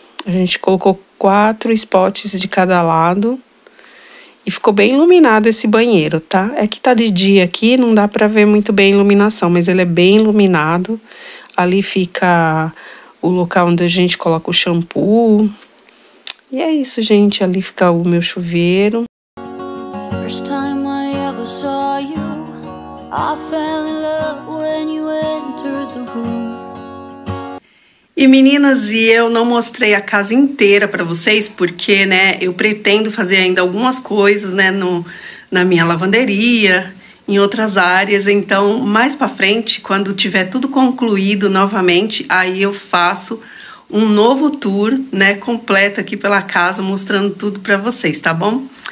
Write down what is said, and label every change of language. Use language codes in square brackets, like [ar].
[pt] A gente colocou 4 spots de cada lado e ficou bem iluminado esse banheiro, tá? É que tá de dia aqui, não dá pra ver muito bem a iluminação, mas ele é bem iluminado. Ali fica o local onde a gente coloca o shampoo. E é isso, gente, ali fica o meu chuveiro. [en] First time I ever saw you, I fell in love when you entered the room. [pt] E meninas, e eu não mostrei a casa inteira pra vocês, porque, né, eu pretendo fazer ainda algumas coisas, né, na minha lavanderia, em outras áreas. Então, mais pra frente, quando tiver tudo concluído novamente, aí eu faço um novo tour, né, completo aqui pela casa, mostrando tudo pra vocês, tá bom?